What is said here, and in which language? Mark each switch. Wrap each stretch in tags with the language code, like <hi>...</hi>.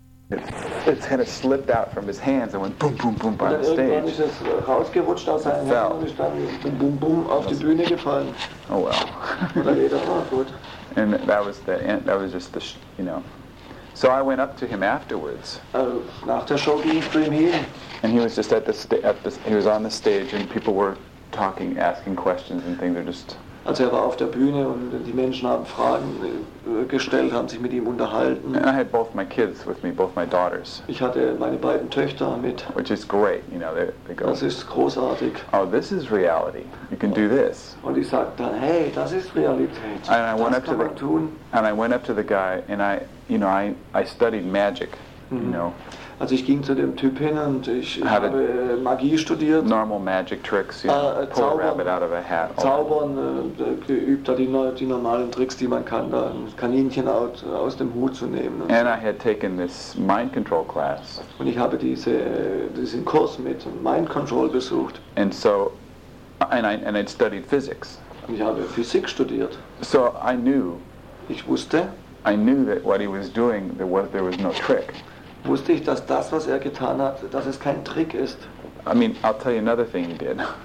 <en>And it slipped out from his hands and went boom, boom, boom by the stage.</en> <de>Rausgerutscht aus seinen Händen und ist dann boom, boom auf die Bühne gefallen.</de> <en>Oh well. And that was the end. That was just the, you know. So I went up to him afterwards.</en> <de>Nach der Show ging ich zu ihm hin.</de> <en>And he was just at the he was on the stage and people were talking, asking questions and things.</en> <de>Also er war auf der Bühne und die Menschen haben Fragen gestellt, haben sich mit ihm unterhalten.</de> <en>And I had both my kids with me, both my daughters.</en> <de>Ich hatte meine beiden Töchter mit.</de> <en>Which is great, you know, they go.</en> <de>Das ist großartig.</de> <en>Oh, this is reality. You can do this.</en> <de>Und ich sagte dann, hey, das ist Realität.</de> <en>And I went up to the guy and I studied magic, you know.</en> <de>Also ich ging zu dem Typ hin und ich habe Magie studiert.</de> <en>Normal magic tricks, you know, pull a rabbit out of a hat.</en> <de>Zaubern geübt, die normalen Tricks, die man kann, da ein Kaninchen aus dem Hut zu nehmen.</de> <en>And I had taken this mind control class.</en> <de>Und ich habe diesen Kurs mit Mind Control besucht.</de> <en>And so, and I'd studied physics.</en> <de>Und ich habe Physik studiert.</de> <en>So I knew.</en> <de>Ich wusste.</de> <en>I knew that what he was doing, there was no trick.</en> <de>Wusste ich, dass das, was er getan hat, dass es kein Trick ist.</de> <en>I mean, I'll tell you another thing he did.</en>